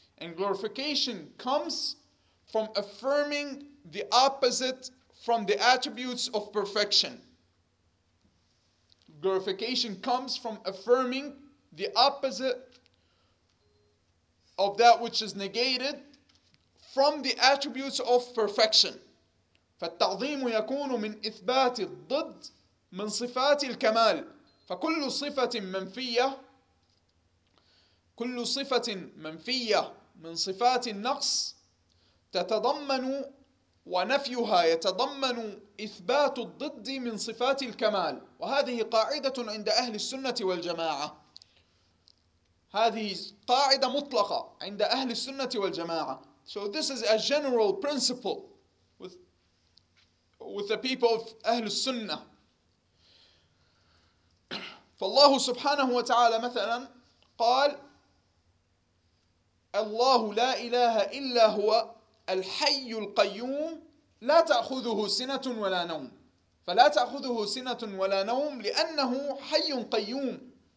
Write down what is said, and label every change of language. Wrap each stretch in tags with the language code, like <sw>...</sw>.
<en>And glorification comes from affirming the opposite from the attributes of perfection. Glorification comes from affirming the opposite of that which is negated from the attributes of perfection.</en> <ar>فالتعظيم يكون من إثبات الضد من صفات الكمال. فكل صفة منفية كل صفة منفية من صفات النقص تتضمن ونفيها يتضمن إثبات الضد من صفات الكمال. وهذه قاعدة عند أهل السنة والجماعة. هذه قاعدة مطلقة عند أهل السنة والجماعة.</ar> <en>So this is a general principle with the people of أهل السنة.</en> <ar>فالله سبحانه وتعالى مثلا قال الله لا إله إلا هو الحي القيوم لا تأخذه سنة ولا نوم. فلا تأخذه سنة ولا نوم لأنه حي قيوم.</ar>